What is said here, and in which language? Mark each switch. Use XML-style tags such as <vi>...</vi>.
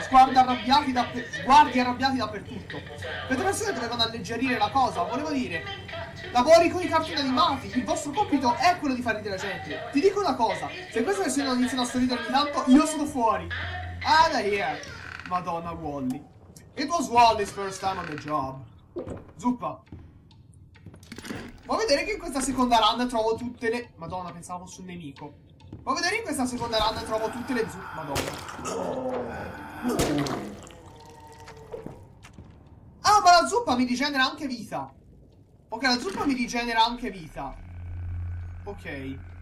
<it>Sguardi arrabbiati dappertutto. Le due persone dovevano alleggerire la cosa, volevo dire. Lavori con i cartoni animati. Il vostro compito è quello di far ridere la gente. Ti dico una cosa, se queste persone non iniziano a sorridere ogni tanto, io sono fuori. Ah, da here. Madonna, Wally.</it> <en>It was Wally's first time on the job.</en> <it>Zuppa. Vuoi vedere che in questa seconda run trovo tutte le... Madonna, pensavo fosse un nemico. Vuoi vedere in questa seconda run trovo tutte le zuppe... Madonna. Ah, ma la zuppa mi rigenera anche vita. Ok, la zuppa mi rigenera anche vita. Ok.</it>